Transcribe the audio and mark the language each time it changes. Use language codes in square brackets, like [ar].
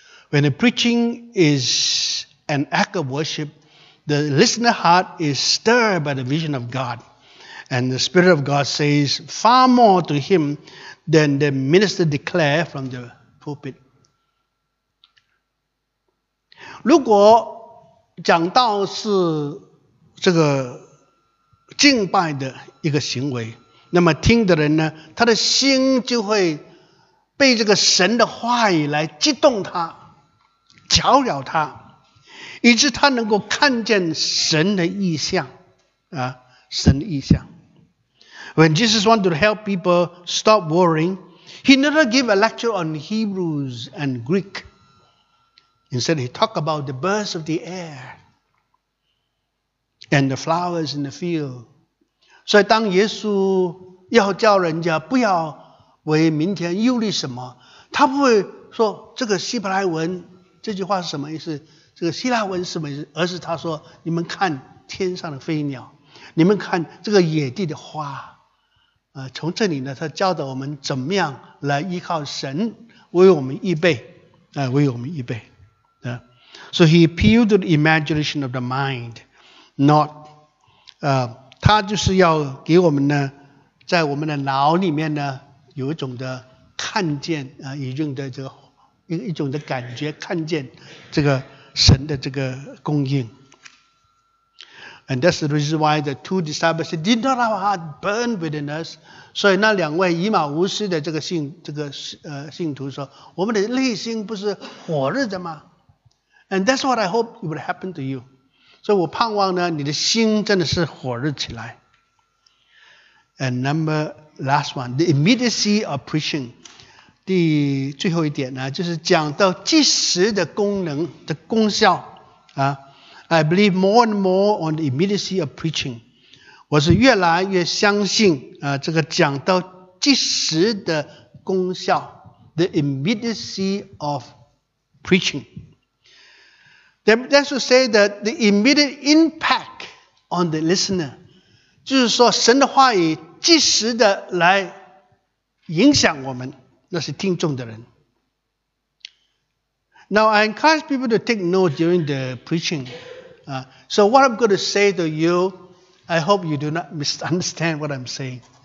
[en] When the preaching is an act of worship, the listener heart is stirred by the vision of God, and the Spirit of God says far more to him than the minister declare from the pulpit. [zh] 如果讲道是这个敬拜的一个行为，那么听的人呢，他的心就会被这个神的话语来激动他。搅扰他，以致他能够看见神的意象啊，神的意象。 [en] When Jesus wanted to help people stop worrying, he never gave a lecture on Hebrews and Greek. Instead, he talked about the birds of the air and the flowers in the field. [zh] 所以当耶稣要叫人家不要为明天忧虑什么，他不会说这个希伯来文这句话是什么意思？这个希腊文是什么意思？而是他说：“你们看天上的飞鸟，你们看这个野地的花，从这里呢，他教导我们怎么样来依靠神为我们预备，为我们预备。 ” [en] So he appealed to the imagination of the mind, not [zh] 他就是要给我们呢，在我们的脑里面呢，有一种的看见啊，一种的这个。一种的感觉，看见这个神的这个供应。 [en] And that's the reason why the two disciples said, did not our heart burn within us? [zh] 所以那两位以马忤斯的这个 信徒说，我们的内心不是火热的吗？ [en] And that's what I hope would happen to you. [zh] 所以我盼望呢，你的心真的是火热起来。 [en] And number last one, the immediacy of preaching. [zh] 第最后一点呢，就是讲到即时的功能的功效啊。 [en] I believe more and more on the immediacy of preaching. [zh] 我是越来越相信啊，这个讲到即时的功效 ， [en] the immediacy of preaching. That's to say that the immediate impact on the listener. [zh] 就是说，神的话语即时的来影响我们。那是听众的人。 [en] Now, I encourage people to take note during the preaching. So what I'm going to say to you, I hope you do not misunderstand what I'm saying.